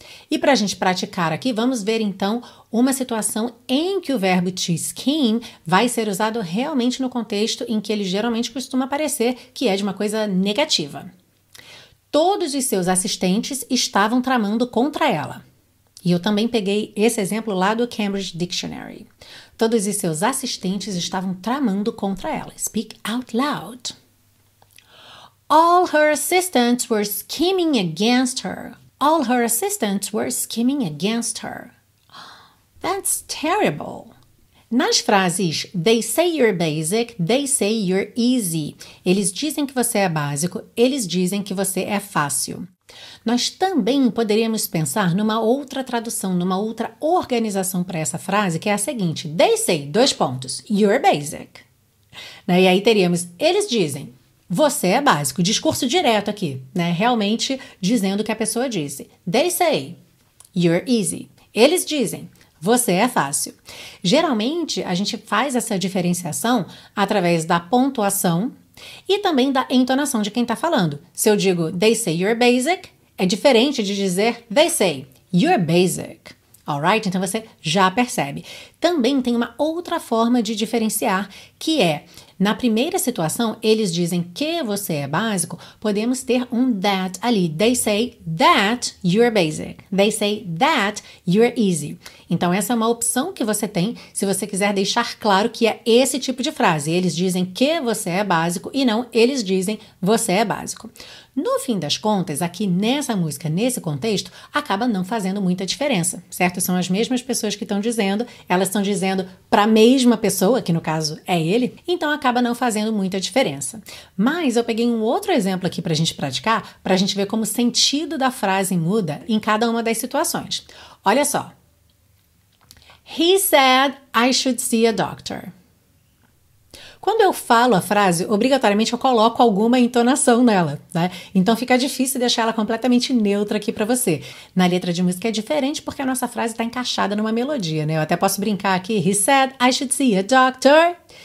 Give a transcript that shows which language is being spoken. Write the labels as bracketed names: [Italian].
[Portuguese] E para a gente praticar aqui, vamos ver então uma situação em que o verbo to scheme vai ser usado realmente no contexto em que ele geralmente costuma aparecer, que é de uma coisa negativa. Todos os seus assistentes estavam tramando contra ela. E eu também peguei esse exemplo lá do Cambridge Dictionary. Todos os seus assistentes estavam tramando contra ela. [English] Speak out loud. All her assistants were scheming against her. All her assistants were scheming against her. That's terrible. [Portuguese] Nas frases, [English] they say you're basic, they say you're easy. [Portuguese] Eles dizem que você é básico, eles dizem que você é fácil. Nós também poderíamos pensar numa outra tradução, numa outra organização para essa frase, que é a seguinte. [English] They say, [Portuguese] dois pontos, [English] you're basic. [Portuguese] E aí teríamos, eles dizem. Você é básico, discurso direto aqui, né? Realmente dizendo o que a pessoa disse. [English] They say, you're easy. [Portuguese] Eles dizem, Você é fácil. Geralmente, a gente faz essa diferenciação através da pontuação e também da entonação de quem está falando. Se eu digo, [English] they say you're basic, [Portuguese] é diferente de dizer, [English] they say you're basic. Alright? [Portuguese] Então, você já percebe. Também tem uma outra forma de diferenciar, que é, na primeira situação, eles dizem que você é básico, podemos ter um that ali. [English] They say that you're basic. They say that you're easy. [Portuguese] Então, essa é uma opção que você tem se você quiser deixar claro que é esse tipo de frase. Eles dizem que você é básico e não eles dizem você é básico. No fim das contas, aqui nessa música, nesse contexto, acaba não fazendo muita diferença, certo? São as mesmas pessoas que estão dizendo, elas estão dizendo para a mesma pessoa, que no caso é ele, então acaba não fazendo muita diferença. Mas eu peguei um outro exemplo aqui para a gente praticar, para a gente ver como o sentido da frase muda em cada uma das situações. Olha só. [English] He said I should see a doctor. [Portuguese] Quando eu falo a frase, obrigatoriamente eu coloco alguma entonação nela, né? Então fica difícil deixar ela completamente neutra aqui pra você. Na letra de música é diferente porque a nossa frase tá encaixada numa melodia, né? Eu até posso brincar aqui, [English] he said I should see a doctor.